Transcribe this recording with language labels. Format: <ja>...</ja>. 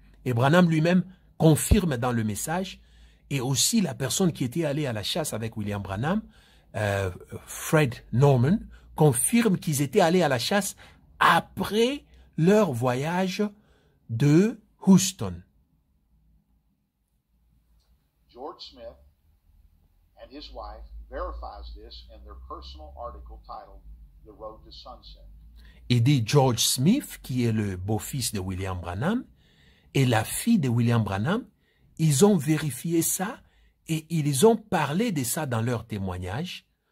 <fr>Et Branham lui-même confirme dans le message, et aussi la personne qui était allée à la chasse avec William Branham, Fred Norman, confirme qu'ils étaient allés à la chasse après leur voyage de Houston.</fr> <en>George Smith and his wife verifies this in their personal article titled The Road to Sunset.</en> <fr>Et dit George Smith, qui est le beau-fils de William Branham et la fille de William Branham, ils ont vérifié ça et ils ont parlé de ça dans leur témoignage.</fr>